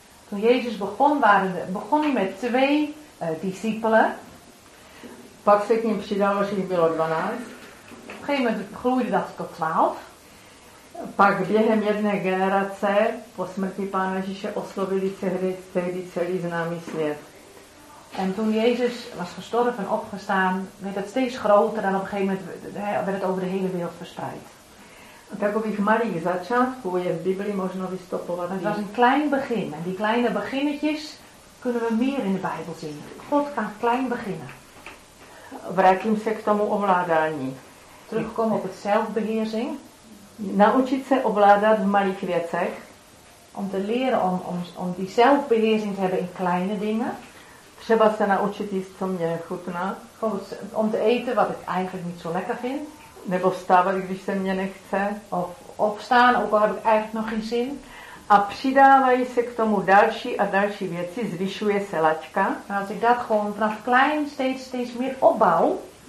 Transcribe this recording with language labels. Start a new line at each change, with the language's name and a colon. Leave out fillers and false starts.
Dutch: Toen Jezus begon, begon hij met twee discipelen.
Czech: Pak se k ním přidalo, že jich bylo 12.
Dutch: Op een gegeven moment groeide dat tot 12.
Czech: Pak během jedné generace po smrti Pána Ježíše oslovili tehdy celý známý svět.
Dutch: En toen Jezus was gestorven en opgestaan, werd het steeds groter en op een gegeven moment werd het over de hele wereld verspreid.
Czech: Takových malých začátků je v Biblii možno vystopovat.
Dutch: Het was een klein begin. En die kleine beginnetjes kunnen we meer in de Bijbel zien. God kan klein beginnen.
Czech: Vrátím se k tomu ovládání.
Dutch: Terugkom op het zelfbeheersing.
Czech: Naučit se ovládat v malých věcech.
Dutch: Om te leren om die zelfbeheersing te hebben in kleine dingen.
Czech: Třeba se naučit jíst, co mě chutná.
Dutch: Om te eten wat ik eigenlijk niet zo lekker vind.
Czech: Nebo vstávat, když se mě nechce.
Dutch: Of opstaan, ook al heb ik eigenlijk nog geen zin.
Czech: A přidávají se k tomu další a další věci, zvyšuje se laťka.
Dutch: A als ik dat gewoon vanaf klein steeds meer opbouw.